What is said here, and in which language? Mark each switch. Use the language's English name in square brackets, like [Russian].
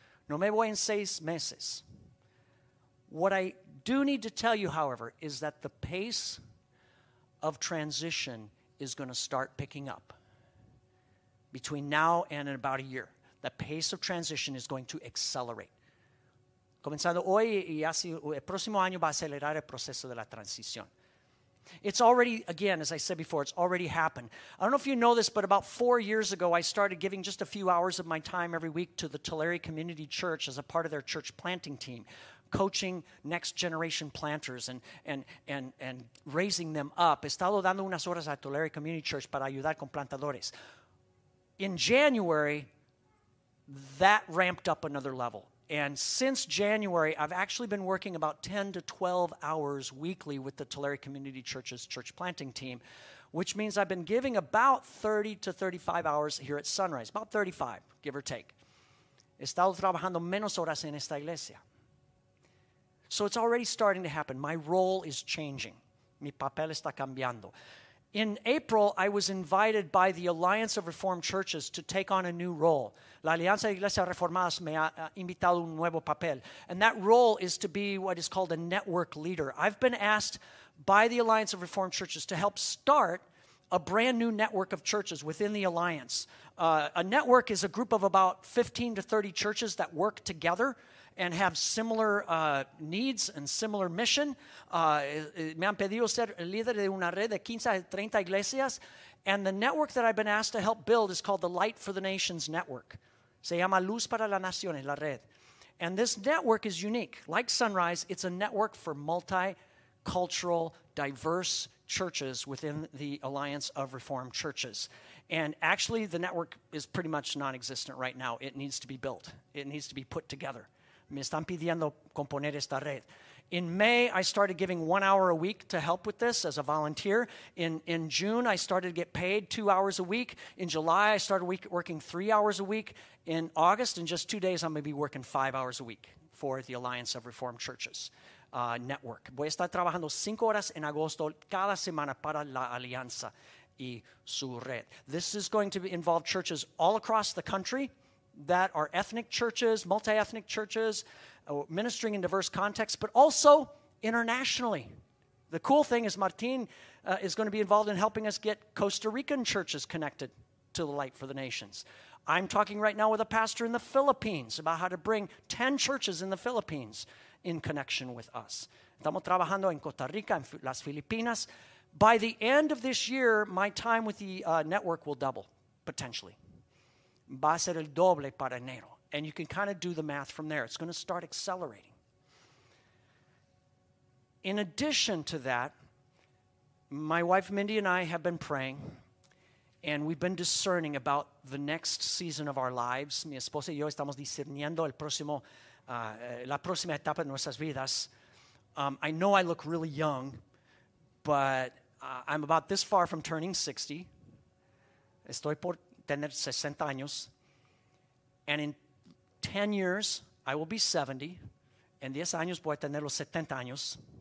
[Spanish] No me voy en 6 meses. [English] What I do need to tell you, however, is that the pace of transition is going to start picking up. Between now and in about a year, the pace of transition is going to accelerate. [Spanish] Comenzando hoy y así el próximo año va a acelerar el proceso de la transición. [English] It's already, again, as I said before, it's already happened. I don't know if you know this, but about 4 years ago, I started giving just a few hours of my time every week to the Tulare Community Church as a part of their church planting team, coaching next generation planters and raising them up. [Spanish] He estado dando unas horas a Tulare Community Church para ayudar con plantadores. [English] In January, that ramped up another level. And since January, I've actually been working about 10 to 12 hours weekly with the Tulare Community Church's church planting team, which means I've been giving about 30 to 35 hours here at Sunrise, about 35, give or take. [Spanish] He estado trabajando menos horas en esta iglesia. [English] So it's already starting to happen. My role is changing. [Spanish] Mi papel está cambiando. [English] In April, I was invited by the Alliance of Reformed Churches to take on a new role. [Spanish] La Alianza de Iglesias Reformadas me ha invitado un nuevo papel. [English] And that role is to be what is called a network leader. I've been asked by the Alliance of Reformed Churches to help start a brand new network of churches within the Alliance. A network is a group of about 15 to 30 churches that work together and have similar needs and similar mission. [Spanish] Me han pedido ser el líder de una red de 15 a 30 iglesias. [English] And the network that I've been asked to help build is called the Light for the Nations Network. [Spanish] Se llama Luz para las Naciones, la red. [English] And this network is unique. Like Sunrise, it's a network for multicultural, diverse churches within the Alliance of Reformed Churches. And actually, the network is pretty much non-existent right now. It needs to be built. It needs to be put together. [Spanish] Me están pidiendo componer esta red. [English] In May, I started giving 1 hour a week to help with this as a volunteer. In June, I started to get paid 2 hours a week. In July, I started working 3 hours a week. In August, in just 2 days, I'm going to be working 5 hours a week for the Alliance of Reformed Churches network. [Spanish] Voy a estar trabajando 5 horas en agosto cada semana para la Alianza y su red. [English] This is going to involve churches all across the country that are ethnic churches, multi-ethnic churches, ministering in diverse contexts, but also internationally. The cool thing is Martin is going to be involved in helping us get Costa Rican churches connected to the Light for the Nations. I'm talking right now with a pastor in the Philippines about how to bring 10 churches in the Philippines in connection with us. [Spanish] Estamos trabajando en Costa Rica, en las Filipinas. [English] By the end of this year, my time with the network will double, potentially. [Spanish] Va a ser el doble para enero. [English] And you can kind of do the math from there. It's going to start accelerating. In addition to that, my wife Mindy and I have been praying, and we've been discerning about the next season of our lives. [Spanish] Mi esposa y yo estamos discerniendo el próximo, la próxima etapa de nuestras vidas. [English] I know I look really young, but I'm about this far from turning 60. [Spanish] Estoy por tener 60 años. [English] And in 10 years, I will be 70. [Spanish] En 10 años, voy a tener los 70 años.